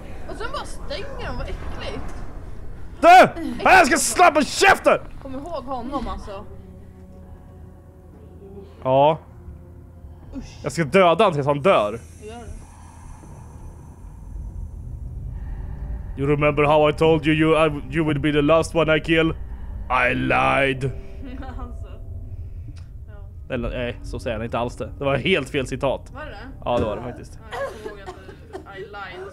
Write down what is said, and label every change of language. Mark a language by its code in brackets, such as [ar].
[sv] Och sen bara stänger de, vad äckligt! Du! Här, jag ska slå på käften! Kom ihåg honom, alltså. Ja. Usch. Jag ska döda han tills han dör. [en] You remember how I told you you would be the last one I kill? I lied. [sv] Alltså. Ja. Nej, så säger han inte alls det. Det var helt fel citat. Var det det? Ja, det var det faktiskt. Ja, jag kommer ihåg att du, [en] I lied